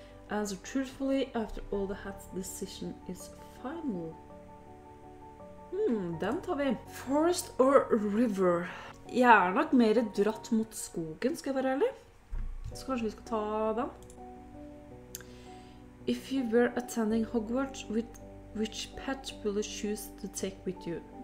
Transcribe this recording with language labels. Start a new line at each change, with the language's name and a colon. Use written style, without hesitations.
English: Answer truthfully after all the hats decision is final.
Norwegian: Den tar vi.
English: Forest or river?
Norwegian: Jeg er nok mer dratt mot skogen, skal jeg være ærlig. Så kanskje vi skal ta den.
English: If you were attending Hogwarts, which pet will you choose to take with you?